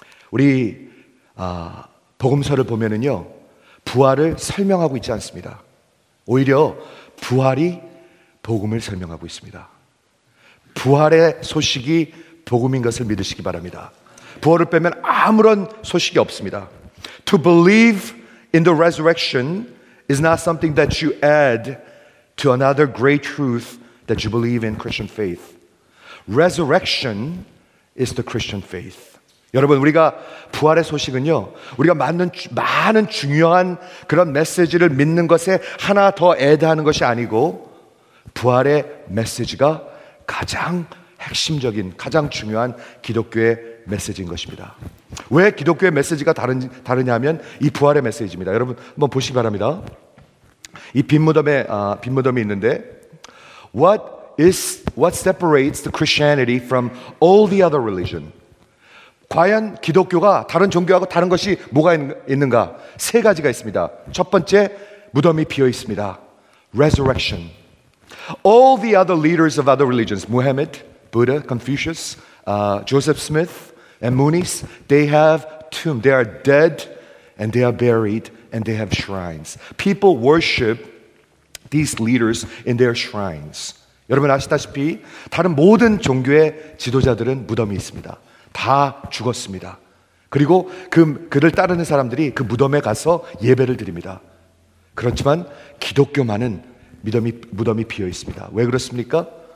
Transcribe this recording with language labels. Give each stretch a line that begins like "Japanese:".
Korean: 우리 복음서를 보면은요 부활을 설명하고 있지 않습니다. 오히려 부활이 복음을 설명하고 있습니다. 부활의 소식이 복음인 것을 믿으시기 바랍니다. 부활을 빼면 아무런 소식이 없습니다.
English: To believe in the resurrection is not something that you add to another great truth that you believe in Christian faith. Resurrection is the Christian faith.
Korean: 여러분, 우리가 부활의 소식은요, 우리가 많은 중요한 그런 메시지를 믿는 것에 하나 더 애드하는 것이 아니고, 부활의 메시지가 가장 핵심적인, 가장 중요한 기독교의 메시지인 것입니다. 왜 기독교의 메시지가 다르냐면, 이 부활의 메시지입니다. 여러분, 한번 보시기 바랍니다. 이 빈무덤이 있는데,
English: What separates the Christianity from all the other religion?
Korean: 과연 기독교가 다른 종교하고 다른 것이 뭐가 있는가? 세 가지가 있습니다. 첫 번째, 무덤이 비어 있습니다.
English: resurrection. All the other leaders of other religions, Muhammad, Buddha, Confucius, Joseph Smith, and Munis, they have tombs. They are dead, and they are buried, and they have shrines. People worship these leaders in their shrines.
Korean: 여러분 아시다시피 다른 모든 종교의 지도자들은 무덤이 있습니다. 다 죽었습니다. 그리고 그를 따르는 사람들이 그 무덤에 가서 예배를 드립니다. 그렇지만 기독교만은 무덤이 비어 있습니다. 왜 그렇습니까?